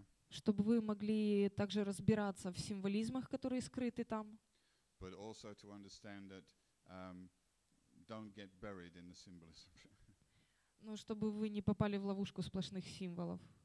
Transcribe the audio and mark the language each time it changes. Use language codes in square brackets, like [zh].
[ru] Чтобы вы могли также разбираться в символизмах, которые скрыты там. [en] But also to understand that don't get buried in the symbolism. [ru] Но чтобы вы не попали в ловушку сплошных символов.